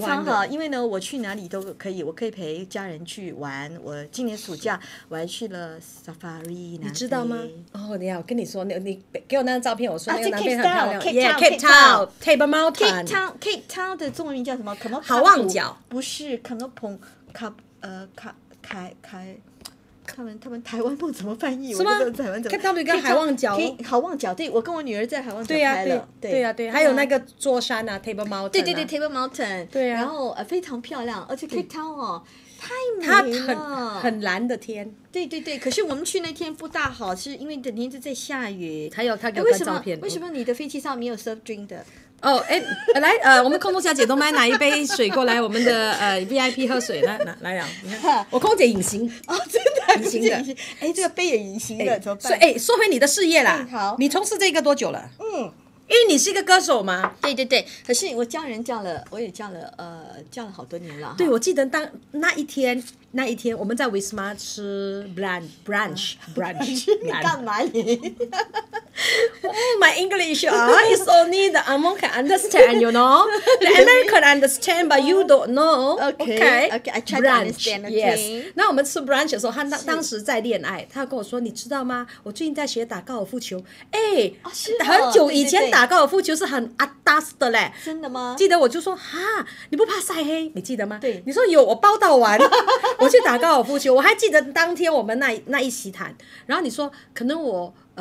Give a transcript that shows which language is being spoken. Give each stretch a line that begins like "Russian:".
Chinese: 非常好。因为呢，我去哪里都可以，我可以陪家人去玩。我今年暑假我还去了 safari，你知道吗？哦，你好，跟你说，你给我那张照片，我说那个南非很漂亮 ，Cape Town，Table Mountain，Cape Town 的中文叫什么？可能好望角，不是 Kampong Kap 开。他们台湾不怎么翻译，是吗？看他们跟海望角，好望角，对，我跟我女儿在海望角拍了，对呀、啊，对，还有那个座山啊 ，Table Mountain，对对对 ，Table Mountain，对啊，然后非常漂亮，而且 Cape Town 哦，太美了，它很蓝的天，对对对，可是我们去那天不大好，是因为整天都在下雨，还有他给我看照片，为什么你的飞机上没有 soft drink 的？哦，哎，来，我们空中小姐都买哪一杯水过来？我们的VIP 喝水来，来呀、啊！你看，我空姐隐形哦，真的隐形的。哎，这个杯也隐形的，怎么办？所以，哎，说回你的事业啦，好，你从事这个多久了？嗯，因为你是一个歌手嘛。对对对，可是我叫人叫了，我也叫了，叫了好多年了。对，我记得当那一天我们在 Wisma 吃 brunch 你干嘛你
English: Oh, my English, it's only the American understand, you know. The American understand, but you don't know. Okay, I try to understand, okay. Yes.
Chinese: 那我们吃 brunch 的时候，他当时在恋爱，他跟我说，你知道吗？我最近在学打高尔夫球。哎、欸哦哦，很久以前打高尔夫球是很 atas 的嘞。真的吗？记得我就说，哈，你不怕晒黑？你记得吗？对。你说有，我报道完，我去打高尔夫球。我还记得当天我们那一席谈，然后你说可能我。